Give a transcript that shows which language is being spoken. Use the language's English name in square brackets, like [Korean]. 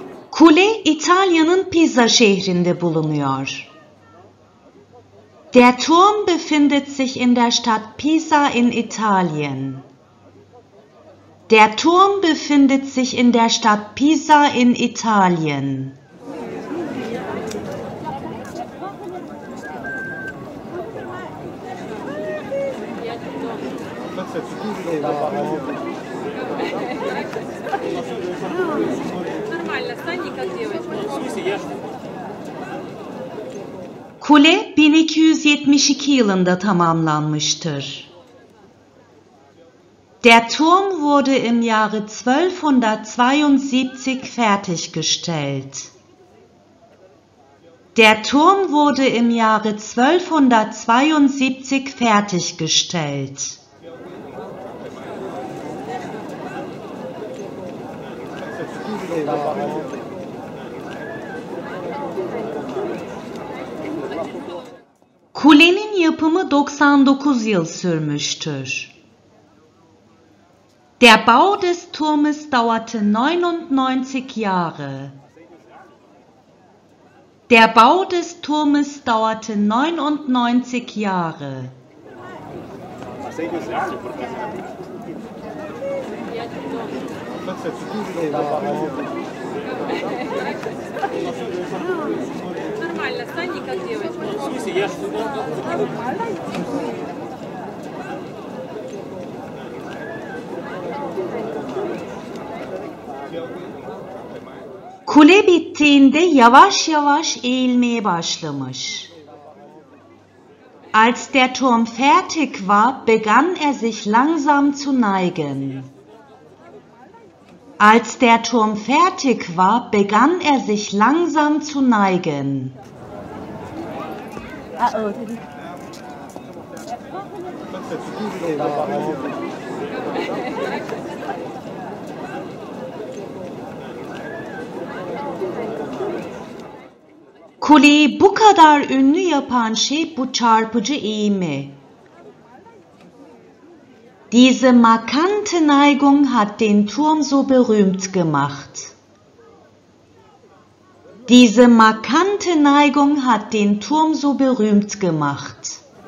[Turkish] Kule İtalya'nın Pisa şehrinde bulunuyor. [German] Der Turm befindet sich in der Stadt Pisa in Italien. Der Turm befindet sich in der Stadt Pisa in Italien. [Turkish] Kule 1272 yılında tamamlanmıştır. [German] Der Turm wurde im Jahre 1272 fertiggestellt. Der Turm wurde im Jahre 1272 fertiggestellt. [Turkish] Kulenin yapımı 99 yıl sürmüştür. [German] Der Bau des Turmes dauerte 99 Jahre. Der Bau des Turmes dauerte 99 Jahre. [Turkish] Kule bittiğinde yavaş yavaş eğilmeye başlamış. [German] Als der Turm fertig war, begann sich langsam zu neigen. Als der Turm fertig war, begann sich langsam zu neigen. [Turkish] Kuleyi bu kadar ünlü yapan şey bu çarpıcı eğimi. [German] Diese markante Neigung hat den Turm so berühmt gemacht. Diese markante Neigung hat den Turm so berühmt gemacht.